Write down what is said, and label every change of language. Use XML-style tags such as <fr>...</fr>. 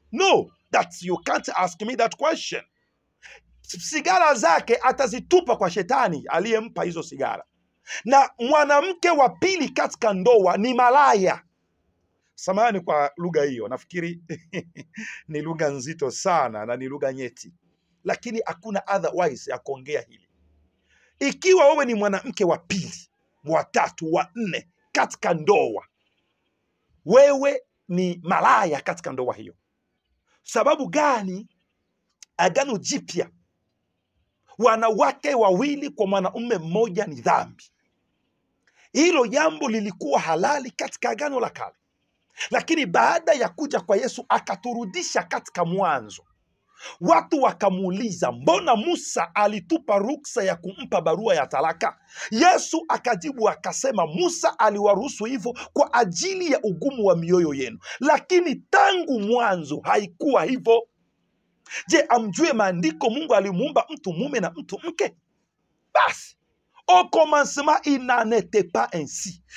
<en>No, that's, you can't ask me that question.</en> <sw>Sigara zake atazitupa kwa shetani aliyempa hizo sigara. Na mwanamke wa pili katika ndoa ni malaya. Samahani kwa lugha hiyo, nafikiri ni lugha nzito sana na ni lugha nyeti. Lakini hakuna otherwise ya kuongea hili. Ikiwa wewe ni mwanamke wa pili, wa tatu, wa nne katika ndoa, wewe ni malaya katika ndoa hiyo. Sababu gani? Agano jipya, wanawake wawili kwa mwanaume mmoja ni dhambi. Hilo jambo lilikuwa halali katika agano la kale. Lakini baada ya kuja kwa Yesu akaturudisha katika mwanzo. Watu wakamuuliza, mbona Musa alitupa ruksa ya kumpa barua ya talaka? Yesu akajibu akasema, Musa aliwaruhusu hivyo kwa ajili ya ugumu wa mioyo yenu. Lakini tangu mwanzo haikuwa hivyo. Je, amjue maandiko Mungu alimuumba mtu mume na mtu mke?</sw> <fr>Basi, au commencement il n'était pas ainsi.</fr>